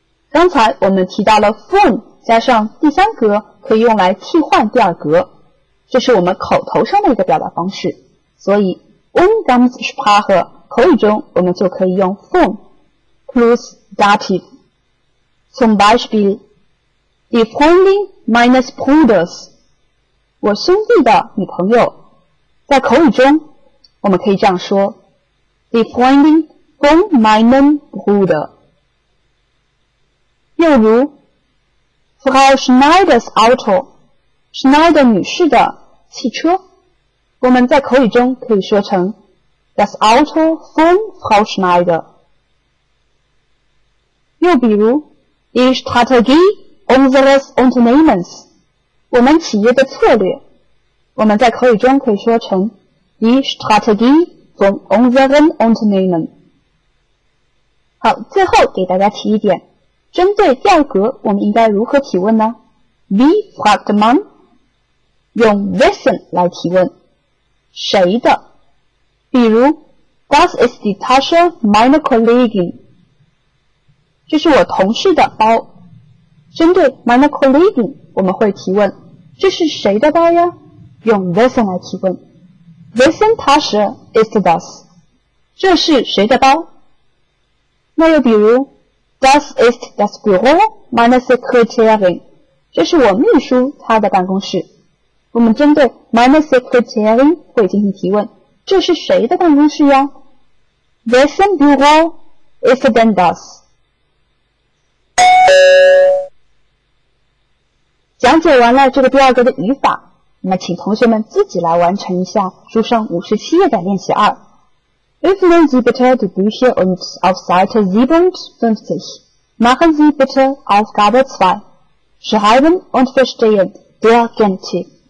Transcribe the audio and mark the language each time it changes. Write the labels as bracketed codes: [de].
[zh] 刚才我们提到了 von 加上第三格可以用来替换第二格，这是我们口头上的一个表达方式，所以 Umgangssprache 口语中我们就可以用 von plus Dative。 [de] Zum Beispiel Die Freundin meines Bruders， [zh] 我兄弟的女朋友。在口语中我们可以这样说 [de] Die FreundinVon meinem Bruder。 [zh] 又如 [de] Frau Schneider's Auto， [zh] Schneider 女士的汽车，我们在口语中可以说成 [de] Das Auto von Frau Schneider。 [zh] 又比如 [de] Die Strategie unseres Unternehmens， [zh] 我们企业的策略，我们在口语中可以说成 [de] Die Strategie von unserem Unternehmen。 [zh] 好，最后给大家提一点，针对第二格我们应该如何提问呢？ [de] Wie fragt man？ [zh] 用 wessen 来提问，谁的。 [de] 比如 Das ist die Tasche meiner Kollegin， [zh] 这是我同事的包。针对 meiner Kollegin 我们会提问，这是谁的包呀？用 wessen 来提问， [de] wessen Tasche ist das？ [zh] 这是谁的包？ [de] 那又比如 Das ist das Büro meiner Sekretärin， [zh] 这是我秘书他的办公室。我们针对 meine Sekretärin 会进行提问，这是谁的办公室呀？ [de] Wessen Büro ist denn das？ [zh] 讲解完了这个第二个的语法，那么请同学们自己来完成一下书上57页的练习二。 [de] Öffnen Sie bitte die Bücher und auf Seite 57 machen Sie bitte Aufgabe 2. Schreiben und verstehen der Genitiv.